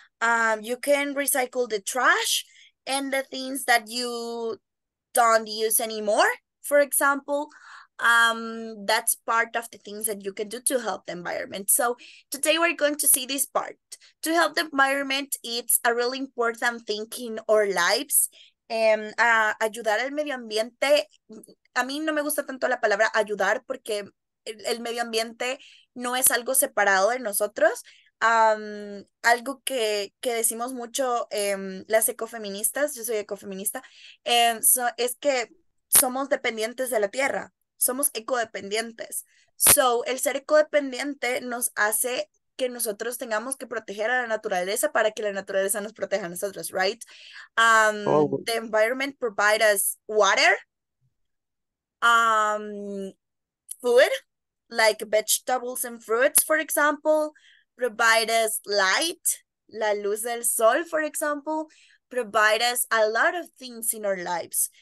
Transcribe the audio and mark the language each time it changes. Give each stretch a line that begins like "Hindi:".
English: You can recycle the trash and the things that you don't use anymore. For example, that's part of the things that you can do to help the environment. So today we're going to see this part. To help the environment, it's a really important thing in our lives.
Spanish: Ayudar al medio ambiente, a mí no me gusta tanto la palabra ayudar porque el medio ambiente no es algo separado de nosotros. Algo que decimos mucho las ecofeministas, yo soy ecofeminista, es que somos dependientes de la tierra, somos ecodependientes. So, el ser ecodependiente nos hace que nosotros tengamos que proteger a la naturaleza para que la naturaleza nos proteja a nosotros, right?
English: The environment provides us water, food, like vegetables and fruits, for example, provides us light,
Spanish: la luz del sol,
English: for example, provide us a lot of things in our lives.